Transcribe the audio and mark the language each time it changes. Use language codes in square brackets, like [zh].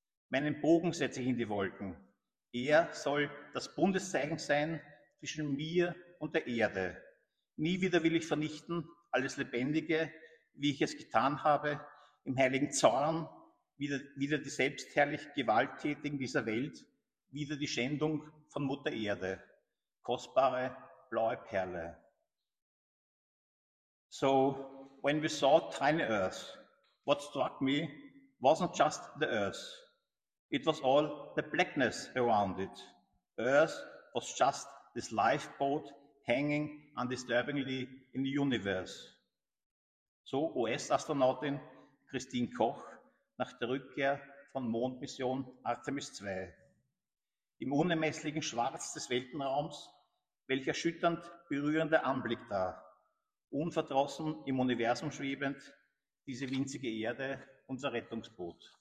[de] Meinen Bogen setze ich in die Wolken. Er soll das Bundeszeichen sein zwischen mir und der Erde. Nie wieder will ich vernichten alles Lebendige, wie ich es getan habe, im heiligen Zorn, wieder die selbstherrlich Gewalttätigen dieser Welt, wieder die Schändung von Mutter Erde. Kostbare blaue Perle. [en] So, when we saw tiny earth, what struck me wasn't just the earth. It was all the blackness around it. Earth was just this lifeboat hanging undisturbingly in the universe. [de] So US-Astronautin Christine Koch nach der Rückkehr von Mondmission Artemis II. Im unermesslichen Schwarz des Weltenraums, welch erschütternd berührender Anblick da. Unverdrossen im Universum schwebend, diese winzige Erde, unser Rettungsboot.